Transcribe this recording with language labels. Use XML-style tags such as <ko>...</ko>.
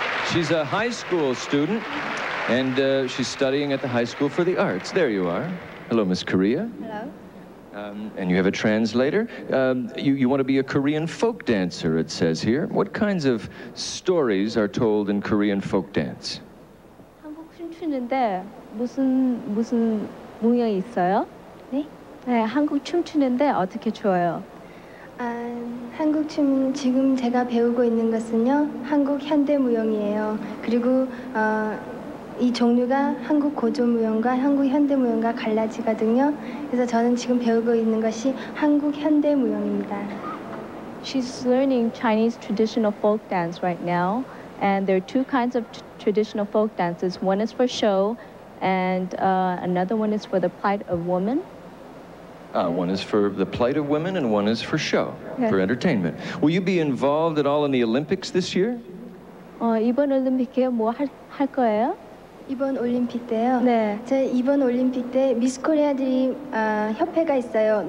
<en>She's a high school student, and she's studying at the High School for the Arts. There you are. Hello, Miss Korea. Hello. And you have a translator. You want to be a Korean folk dancer, it says here. What kinds of stories are told in Korean folk dance?</en> <ko>한국 춤추는데 무슨 무용 있어요? 네? 네, 한국 춤추는데 어떻게 추어요? 한국 춤 지금 제가 배우고 있는 것은요 한국 현대 무용이에요. 그리고 이 종류가 한국 고조 무용과 한국 현대 무용과 갈라지거든요. 그래서 저는 지금 배우고 있는 것이 한국 현대 무용입니다.</ko> <en>She's learning Chinese traditional folk dance right now, and there are two kinds of traditional folk dances. One is for show, and another one is for the plight of woman. One is for the plight of women, and one is for show, yes. For entertainment. Will you be involved at all in the Olympics this year?</en> <ko>이번 올림픽에 뭐 할 거예요? 이번 올림픽 때요? 네. 제 이번 올림픽 때 미스 코리아들이 협회가 있어요.</ko>